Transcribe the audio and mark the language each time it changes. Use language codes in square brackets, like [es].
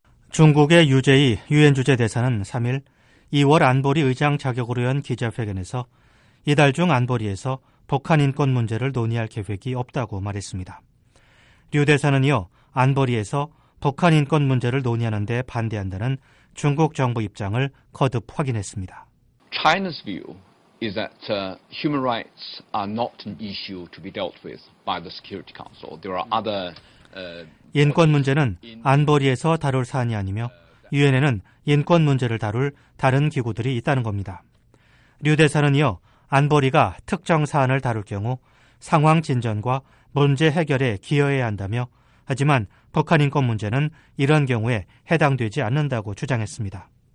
[ko] 중국의 유재희 유엔 주재 대사는 3일 2월 안보리 의장 자격으로 연 기자회견에서 이달 중 안보리에서 북한 인권 문제를 논의할 계획이 없다고 말했습니다. 류 대사는 이어 안보리에서 북한 인권 문제를 논의하는 데 반대한다는 중국 정부 입장을 거듭 확인했습니다. [en] China's view is that human rights are not an issue to be dealt with by the Security Council. There are other [ko] 인권 문제는 안보리에서 다룰 사안이 아니며 유엔에는 인권 문제를 다룰 다른 기구들이 있다는 겁니다. 류 대사는 이어 안보리가 특정 사안을 다룰 경우 상황 진전과 문제 해결에 기여해야 한다며 하지만 북한 인권 문제는 이런 경우에 해당되지 않는다고 주장했습니다.